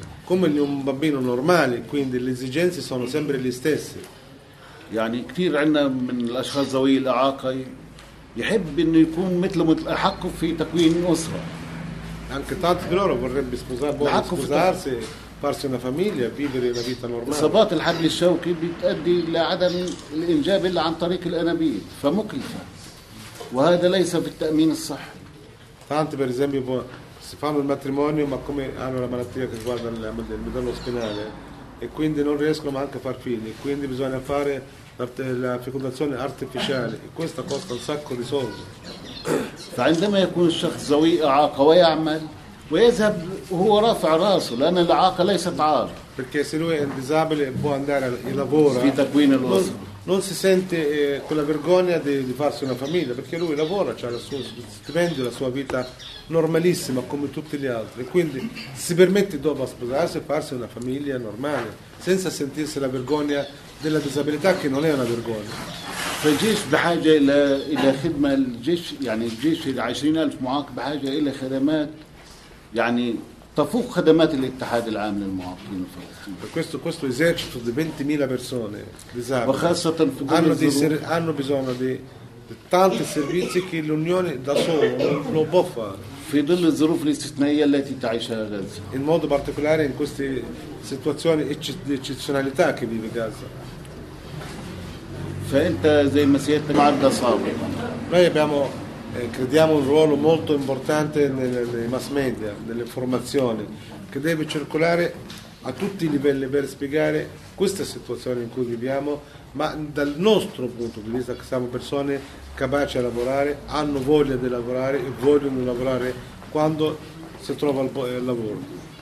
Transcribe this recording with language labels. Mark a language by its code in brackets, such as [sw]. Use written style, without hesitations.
[ar] كم اللي هم بامبينو نورمالي، [it] quindi le esigenze sono sempre le stesse. [ar] يعني كثير عنا من الأشخاص ذوي الإعاقة. يحب انه يكون مثله مثل حقه في تكوين اسره [it] anche tanti di loro vorrebbe sposarsi farsi una famiglia vivere una vita normale [ar] اصابات الحبل الشوكي بتؤدي لعدم الانجاب الا عن طريق الانابيب فمكلفه وهذا ليس في التامين الصحي [it] tanti per esempio si fanno il matrimonio ma come hanno la malattia che riguarda il midollo spinale e quindi non riescono neanche a far figli quindi bisogna fare la fecondazione artificiale e questa costa un sacco di soldi. [ar] فعندما يكون الشخص ذوي إعاقة ويعمل ويذهب هو رافع راسه لأن الإعاقة ليست عار. [it] Perché se lui è disabile può andare e lavora. [ar] في تكوين الأسرة. [it] Non si sente quella vergogna di farsi una famiglia perché lui lavora, ha il suo stipendio, la sua vita normalissima come tutti gli altri. Quindi si permette dopo a sposarsi e farsi una famiglia normale senza sentirsi la vergogna della disabilità che non è una vergogna. [ar] فالجيش بحاجة إلى خدمة الجيش يعني الجيش 20,000 معاق بحاجة إلى خدمات يعني تفوق خدمات الاتحاد العام للمعاقين الفلسطيني. [it] questo esercito di 20,000 persone disabili. [ar] وخاصة في ظل الظروف. [it] hanno bisogno di tanti servizi che l'Unione da solo non può fare. [ar] في ظل الظروف الاستثنائية التي تعيشها غزة. [it] in modo particolare in queste situazioni di eccezionalità che vive Gaza. [ar] فأنت زي ما سيادة معدة صابر. [it] noi abbiamo crediamo un ruolo molto importante nei mass media, nelle informazioni, che deve circolare a tutti i livelli per spiegare questa situazione in cui viviamo, ma dal nostro punto di vista che siamo persone capaci a lavorare, hanno voglia di lavorare e vogliono lavorare quando si trova il lavoro.